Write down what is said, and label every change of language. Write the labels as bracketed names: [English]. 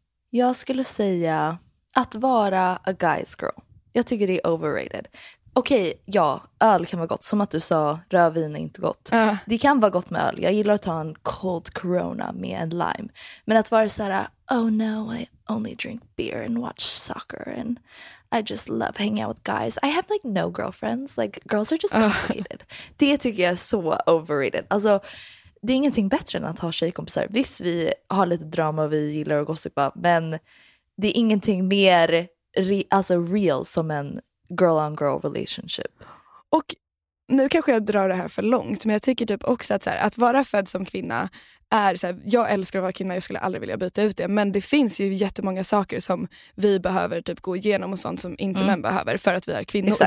[Swedish] Jag skulle säga att vara [English] a guy's girl. [Swedish] Jag tycker det är overrated. Okej, ja, öl kan vara gott. Som att du sa, rödvin är inte gott. Det kan vara gott med öl. Jag gillar att ta en cold corona med en lime. Men att vara så här, [English] oh no, I only drink beer and watch soccer. And I just love hanging out with guys. I have like no girlfriends. Like, girls are just complicated. [Swedish] Det tycker jag är så overrated. Alltså, det är ingenting bättre än att ha tjejkompisar. Visst, vi har lite drama och vi gillar att gossipa. Men det är ingenting mer real som en [English] girl-on-girl relationship. [Swedish] Och nu kanske jag drar det här för långt, men jag tycker typ också att, så här, att vara född som kvinna är så här, jag älskar att vara kvinna, jag skulle aldrig vilja byta ut det, men det finns ju jättemånga saker som vi behöver typ gå igenom och sånt som inte män behöver för att vi är kvinnor.